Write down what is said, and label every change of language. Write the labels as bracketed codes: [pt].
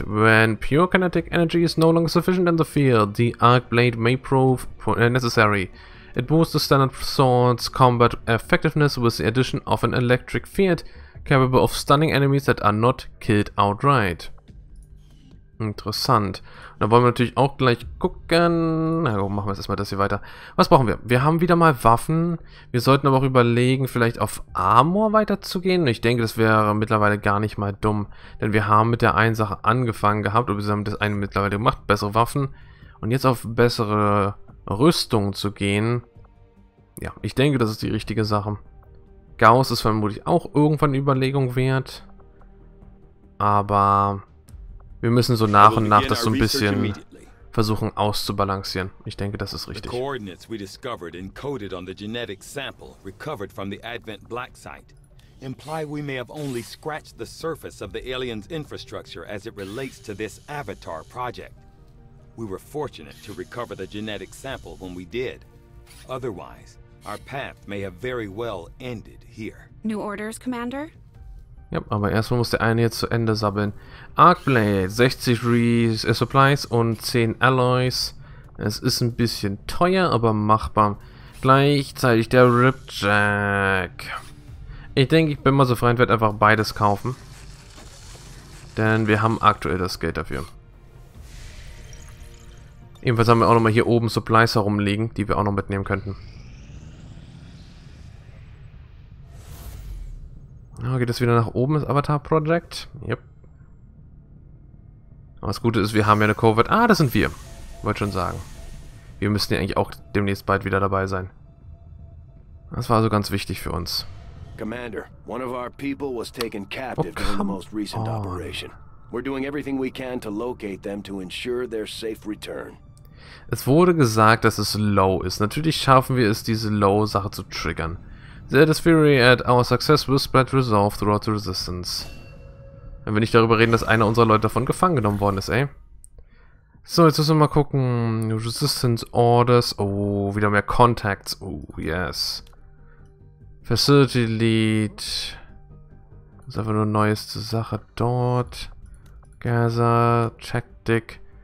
[en] When pure kinetic energy is no longer sufficient in the field, the Arc Blade may prove necessary. It boosts the standard sword's combat effectiveness with the addition of an electric field capable of stunning enemies that are not killed outright. [de] Interessant. Da wollen wir natürlich auch gleich gucken. Na gut, machen wir jetzt erstmal das hier weiter. Was brauchen wir? Wir haben wieder mal Waffen. Wir sollten aber auch überlegen, vielleicht auf Armor weiterzugehen. Ich denke, das wäre mittlerweile gar nicht mal dumm. Denn wir haben mit der einen Sache angefangen gehabt. Und wir haben das eine mittlerweile gemacht. Bessere Waffen. Und jetzt auf bessere Rüstung zu gehen. Ja, ich denke, das ist die richtige Sache. Gauss ist vermutlich auch irgendwann eine Überlegung wert. Aber wir müssen so nach und nach das so ein bisschen versuchen auszubalancieren. Ich denke, das ist richtig. Die Koordinaten, die wir [en] discovered und encoded on the genetic sample recovered from the Advent Black Site, imply we may have only scratched the surface of the aliens' infrastructure as it relates to this Avatar project. We were fortunate to recover the genetic sample when we did. Otherwise, our path may have very well ended here. New orders, Commander? [de] Yep, aber erstmal muss der eine jetzt zu Ende sabbeln. Arcblade, 60 Supplies und 10 Alloys. Es ist ein bisschen teuer, aber machbar. Gleichzeitig der Ripjack. Ich denke, ich bin mal so frei und werde einfach beides kaufen. Denn wir haben aktuell das Geld dafür. Jedenfalls haben wir auch nochmal hier oben Supplies herumliegen, die wir auch noch mitnehmen könnten. Oh, geht das wieder nach oben, das Avatar Project? Yep. Aber das Gute ist, wir haben ja eine Covid. Ah, das sind wir. Wollte schon sagen. Wir müssten ja eigentlich auch demnächst bald wieder dabei sein. Das war also ganz wichtig für uns. [en] Commander, one of our people was taken captive during the most recent operation. We're doing everything we can to locate them to ensure their safe return. [de] Es wurde gesagt, dass es low ist. Natürlich schaffen wir es, diese low-Sache zu triggern. [en] The theory at our success will spread resolve throughout the resistance. [de] Wenn wir nicht darüber reden, dass einer unserer Leute davon gefangen genommen worden ist, ey. So, jetzt müssen wir mal gucken. Resistance orders. Oh, wieder mehr contacts. [en] Oh, yes. Facility lead. [de] Das ist einfach nur neueste Sache dort. Gaza, Tactic.